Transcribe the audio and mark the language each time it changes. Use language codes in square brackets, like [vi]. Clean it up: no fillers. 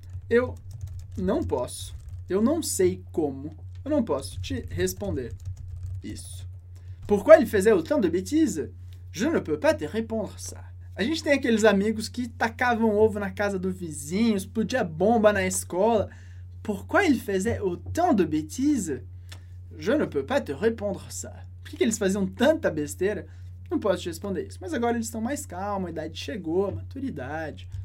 [pt] Eu não posso, eu não sei como, eu não posso te responder isso. [fr] Pourquoi il faisait autant de bêtises? Je ne peux pas te répondre ça. [pt] A gente tem aqueles amigos que tacavam ovo na casa do vizinho, explodia bomba na escola. [fr] Pourquoi ils faisaient autant de bêtises? Je ne peux pas te répondre ça. [pt] Por que que eles faziam tanta besteira? Não posso te responder isso. Mas agora eles estão mais calmos, a idade chegou, a maturidade.